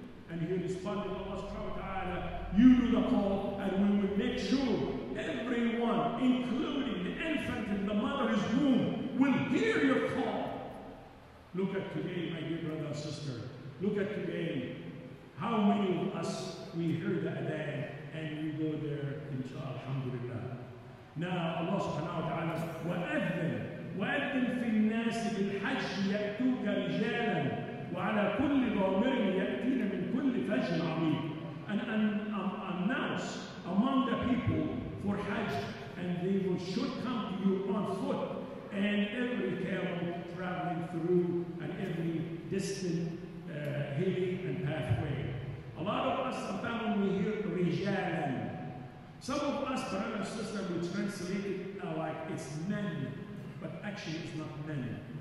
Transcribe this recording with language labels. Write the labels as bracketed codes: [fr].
[en] And he responded, Allah subhanahu wa ta'ala, you do the call and we will make sure everyone, including the infant in the mother's womb, will hear your call. Look at today, my dear brother and sister. Look at today. How many of us, we hear the adhan and we go there, inshallah, alhamdulillah. Now [ar] Allah subhanahu wa ta'ala, وَأَذِّنْ فِي النَّاسِ بِالْحَجِّ يَأْتُوكَ رِجَالًا وَعَلَى كُلِّ ضَامِرٍ يَأْتِينَ مِنْ كُلِّ فَجٍّ عَمِيمٍ. [en] And announce among the people for Hajj, and they will should come to you on foot, and every camel traveling through, and every distant hilly and pathway. A lot of us are found when we hear rijalan. Some of us, brother and sister, we translate it like it's men, but actually it's not men.